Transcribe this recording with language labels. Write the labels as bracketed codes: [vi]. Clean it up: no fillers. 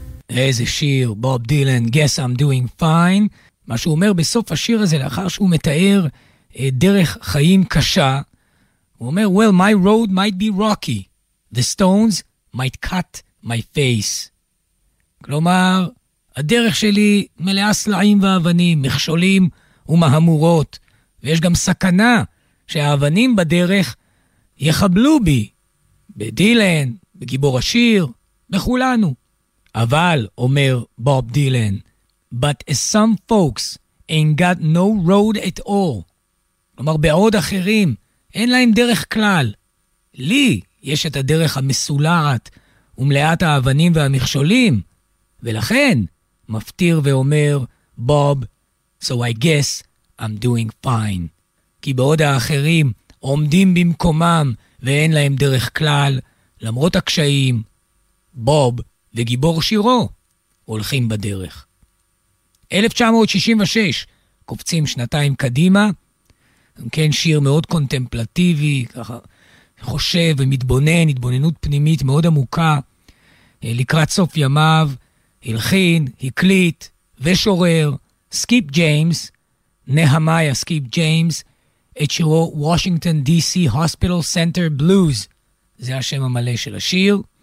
[he] איזה שיר, בוב דילן, Guess I'm Doing Fine. מה שהוא אומר בסוף השיר הזה, לאחר שהוא מתאר דרך חיים קשה, הוא אומר, [en] well, my road might be rocky. The stones might cut my face. [he] כלומר, הדרך שלי מלאה סלעים ואבנים, מכשולים ומהמורות. ויש גם סכנה שהאבנים בדרך יחבלו בי, בדילן, בגיבור השיר, בכולנו. אבל, אומר בוב דילן, [en] but as some folks ain't got no road at all. [he] כלומר, בעוד אחרים, אין להם דרך כלל. לי יש את הדרך המסולעת ומלאת האבנים והמכשולים. ולכן, מפתיר ואומר, בוב, [en] so I guess I'm doing fine. [he] כי בעוד האחרים עומדים במקומם ואין להם דרך כלל, למרות הקשיים, בוב וגיבור שירו הולכים בדרך. 1966, קופצים שנתיים קדימה, כן, שיר מאוד קונטמפלטיבי, ככה חושב ומתבונן, התבוננות פנימית מאוד עמוקה, לקראת סוף ימיו, הלחין, הקליט ושורר, סקיפ ג'יימס, נהמיה סקיפ ג'יימס, את שירו Washington DC Hospital Center Blues, זה השם המלא של השיר.